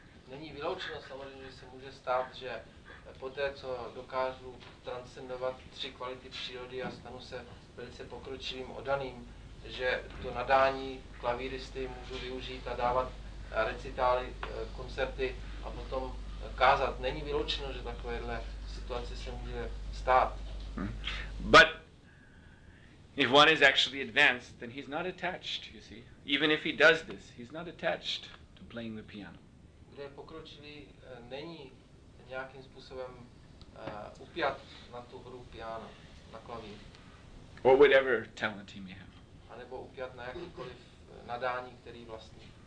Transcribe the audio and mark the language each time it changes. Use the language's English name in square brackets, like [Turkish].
[Czech] Není vyloučeno samozřejmě, že se může stát, že poté, co dokážu transcendovat tři kvality přírody a stanu se velice pokročilým oddaným, že to nadání klavíristy můžu využít a dávat recitály, koncerty a potom kázat. Není vyloučeno, že takovéhle situace se může stát. [English] But if one is actually advanced, then he's not attached, you see. Even if he does this, he's not attached to playing the piano. [Czech] Kdo je pokročilý, není nějakým způsobem upjat na tu hru piano, na klavír. [English] Or whatever talent he may have. [Czech] A nebo upjat na jakýkoliv nadání, který vlastní.